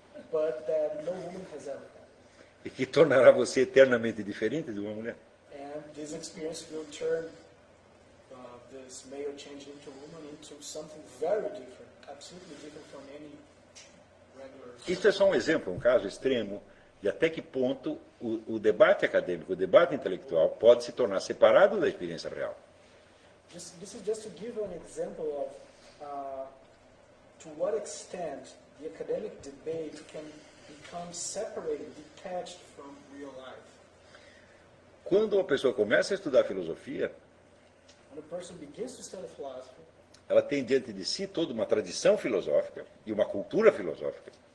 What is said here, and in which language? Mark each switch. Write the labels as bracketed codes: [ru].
[en] But that no woman has ever had. [pt] E que tornará você eternamente diferente de uma mulher. [en] And this experience will turn this male change into a woman into something very different, absolutely different from any. [pt] Isso é só um exemplo, um caso extremo de até que ponto o debate acadêmico, o debate intelectual pode se tornar separado da experiência real. [en] This is just to give an example of to what extent the academic debate can become separated, detached from real life. [pt] Quando uma pessoa começa a estudar filosofia, [en] when a person begins to study philosophy, [pt] ela tem diante de si toda uma tradição filosófica e uma cultura filosófica.